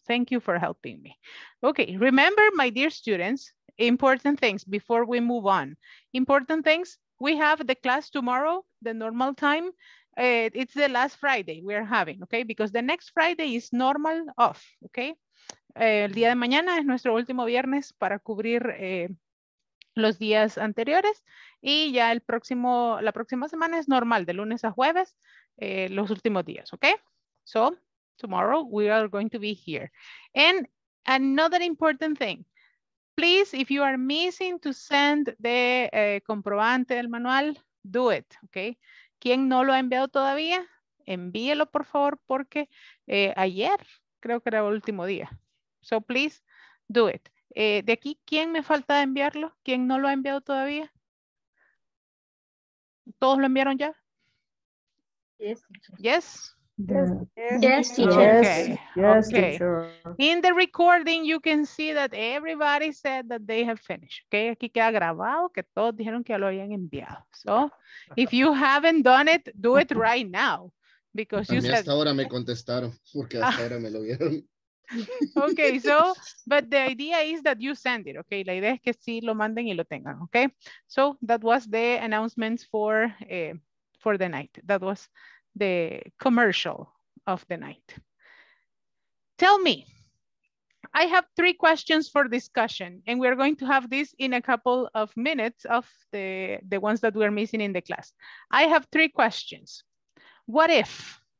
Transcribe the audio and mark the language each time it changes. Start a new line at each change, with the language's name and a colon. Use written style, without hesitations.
English: Thank you for helping me. Okay, remember, my dear students, important things before we move on. Important things, we have the class tomorrow, the normal time. It's the last Friday we are having, okay? Because the next Friday is normal off, okay?
Spanish: El día de mañana es nuestro último viernes para cubrir los días anteriores. Y ya la próxima semana es normal, de lunes a jueves. Los últimos días,
English: okay? So, tomorrow we are going to be here. And another important thing, please, if you are missing to send the
Spanish: comprobante del manual,
English: do it, okay?
Spanish: ¿Quién no lo ha enviado todavía? Envíelo, por favor, porque ayer creo que era el último día.
English: So, please, do it.
Spanish: De aquí, ¿quién me falta de enviarlo? ¿Quién no lo ha enviado todavía? ¿Todos lo enviaron ya?
English: Yes. Yes. Yes. Yes. Yes. Okay. Yes. Okay. In the recording, you can see that everybody said that they have finished. Okay.
Spanish: Aquí queda grabado que todos dijeron que ya lo habían enviado.
English: So, if you haven't done it, do it right now, because you said.
Spanish: Hasta ahora me contestaron porque hasta ahora me lo vieron.
English: Okay. So, but the idea is that you send it. Okay.
Spanish: La idea es que sí lo manden y lo tengan.
English: Okay. So that was the announcements for the night. That was the commercial of the night. Tell me, I have three questions for discussion, and we're going to have this in a couple of minutes of the ones that we're missing in the class. I have three questions. What if?